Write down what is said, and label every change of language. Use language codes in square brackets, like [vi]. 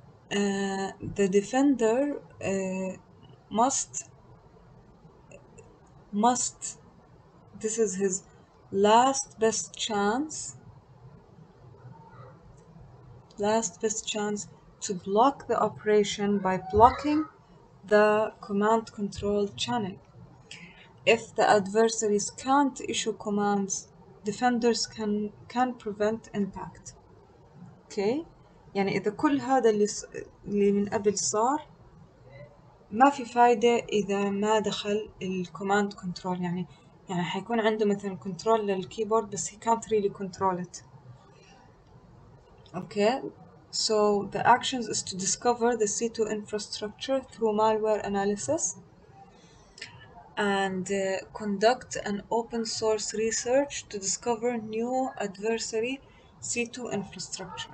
[en] The defender must this is his last best chance to block the operation by blocking the command control channel. If the adversaries can't issue commands, defenders can prevent impact. Okay. [ar] يعني إذا كل هذا اللي من قبل صار ما في فايدة إذا ما دخل الكوماند كنترول، يعني حيكون عنده مثلا كنترول للكيبورد بس [en] he can't really control it. Okay, so the actions is to discover the C2 infrastructure through malware analysis and conduct an open source research to discover new adversary C2 infrastructure.